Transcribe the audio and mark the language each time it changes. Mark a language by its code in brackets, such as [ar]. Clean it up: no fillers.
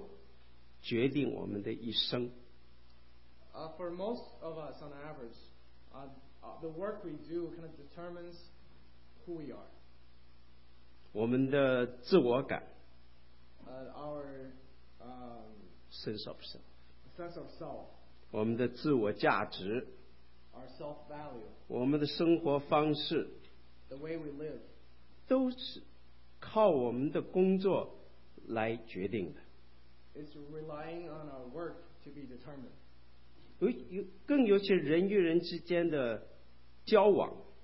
[zh] 结论就是说，对我们差不多每一个人来讲，工作决定我们的一生。 [en] For most of us, on average, the work we do kind of determines who we are. [zh] 我们的自我感。 [en] Our sense of self. sense of self, [zh] 我们的自我价值， [en] our self value, [zh] 我们的生活方式， [en] the way we live, [zh] 都是靠我们的工作来决定的。 [en] It's relying on our work to be determined. [zh] 更尤其人与人之间的交往，